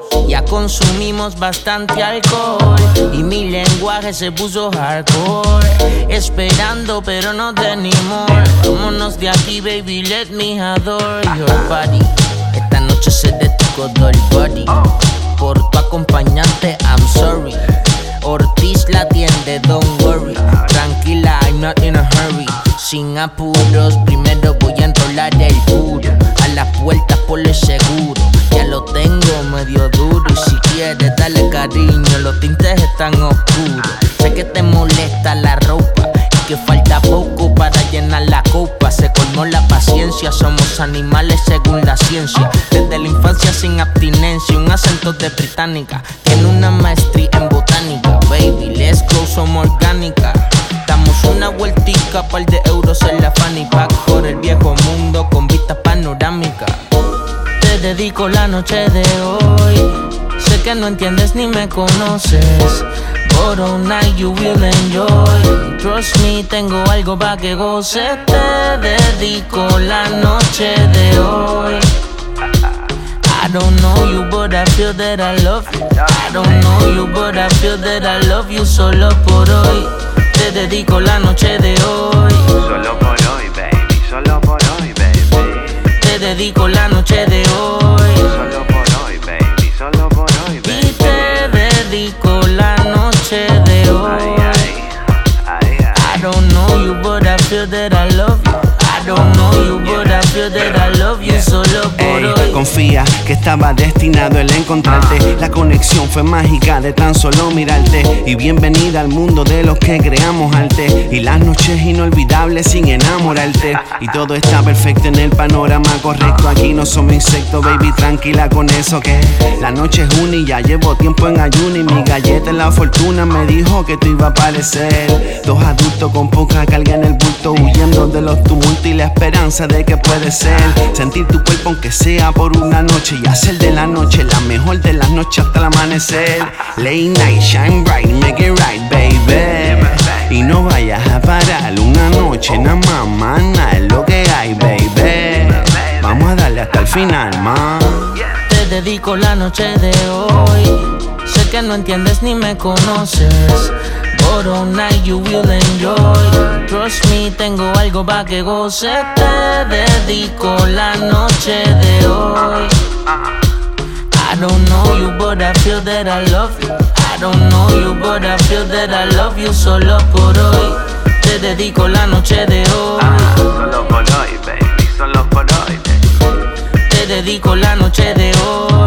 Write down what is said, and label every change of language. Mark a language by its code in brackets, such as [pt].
[es] Ya consumimos bastante alcohol y mi lenguaje se puso hardcore. Esperando pero no de anymore. Vámonos de aquí, baby, [en] let me adore your body. [es] Esta noche se detuvo el body. Por tu acompañante, [en] I'm sorry. Ortiz [es] la atiende, [en] don't worry. [es] Tranquila, [en] I'm not in a hurry. [es] Sin apuros, primero voy a enrolar el puro. A las puertas por lo seguro. Ya lo tengo medio duro. Y si quieres dale cariño, los tintes están oscuros. Sé que te molesta la ropa y que falta poco para llenar la copa. Se colmó la paciencia, somos animales según la ciencia. Desde la infancia sin abstinencia, un acento de británica. Tiene una maestría en botánica. [en] Baby, let's go, [es] somos orgánica. Damos una vueltica, par de euros en la fanny pack. Por el viejo mundo con vista panorámica. Te dedico la noche de hoy. Sé que no entiendes ni me conoces. [en] But all night you will enjoy. Trust me, [es] tengo algo pa' que goce. Te dedico la noche de hoy. [en] I don't know you, but I feel that I love you. I don't know you, but I feel that I love you. [es] Solo por hoy. Te dedico la noche de hoy. Solo por hoy, baby. Solo por hoy, baby. Te dedico la noche de hoy. Solo por hoy, baby. Solo por hoy, baby. Y te dedico la noche de hoy. Ay, ay, ay, ay. [en] I don't know you, but I feel that I love you. I don't know you, but I feel that I love you [es] solo por hoy. Confía que estaba destinado el encontrarte. La conexión fue mágica de tan solo mirarte. Y bienvenida al mundo de los que creamos arte. Y las noches inolvidables sin enamorarte. Y todo está perfecto en el panorama correcto. Aquí no somos insectos, baby, tranquila con eso que la noche es una y ya llevo tiempo en ayuno. Y mi galleta en la fortuna me dijo que tú ibas a aparecer. Dos adultos con poca carga en el bulto, huyendo de los tumultos y la esperanza de que puede ser. Sentir tu cuerpo aunque sea por una noche y hacer de la noche la mejor de las noches hasta el amanecer. [en] Late night, shine bright, make it right, baby. [es] Y no vayas a parar una noche, na' más, man, na' es lo que hay, baby. Vamos a darle hasta el final, man. Te dedico la noche de hoy. Sé que no entiendes ni me conoces. [en] But all night you will enjoy. [es] Trust me, tengo algo pa' que goce. Te dedico la noche de hoy. [en] I don't know you, but I feel that I love you. I don't know you, but I feel that I love you. [es] Solo por hoy. Te dedico la noche de hoy. Solo por hoy, baby. Solo por hoy, baby. Te dedico la noche de hoy.